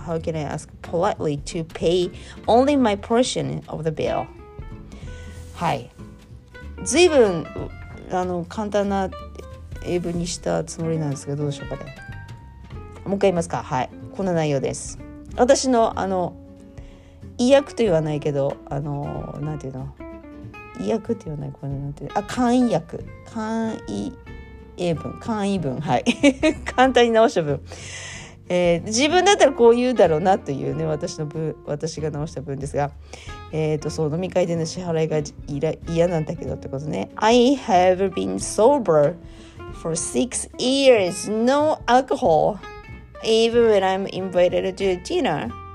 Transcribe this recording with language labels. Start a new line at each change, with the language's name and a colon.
English: How can I ask politely to pay only my portion of the bill?
Japanese: はい、ずいぶん簡単な英文にしたつもりなんですけど、どうでしょうかね。もう一回言いますか。はい、こんな内容です。私の意訳と言わないけど、なんていうの、意訳って言わない、これなんていう、簡易訳、簡易英文、簡易文、はい簡単に直した文、自分だったらこう言うだろうなというね、私の文、私が直した文ですが、そう、飲み会での支払いが嫌なんだけどってことね。
English: I have been sober for 6 years, no alcohol, even when I'm invited to dinner.